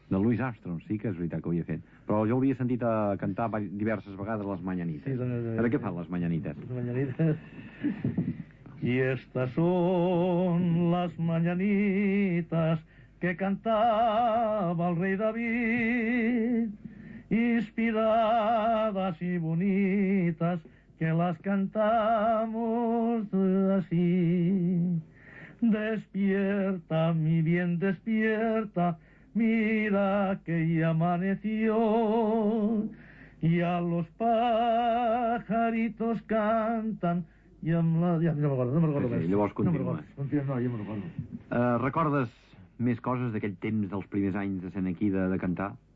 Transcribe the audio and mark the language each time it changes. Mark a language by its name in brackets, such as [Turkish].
[Catalan] De Louis Armstrong, sí que és veritat que ho havia fet. Però jo l'havia sentit a cantar diverses vegades les Mañanitas. Sí, doncs, ara què fan les Mañanitas? Les Mañanitas... [Spanish] Y estas son las mañanitas que cantaba el rey David, inspiradas y bonitas que las cantamos así. Despierta, mi bien, despierta, mira que ya amaneció y a los pajaritos cantan. [Catalan] I amb la... Ja, no me'n recordo, no me'n recordo més. Sí, llavors continua. No me'n recordo, ja me'n recordo. Recordes més coses d'aquell temps dels primers anys de sent aquí de cantar?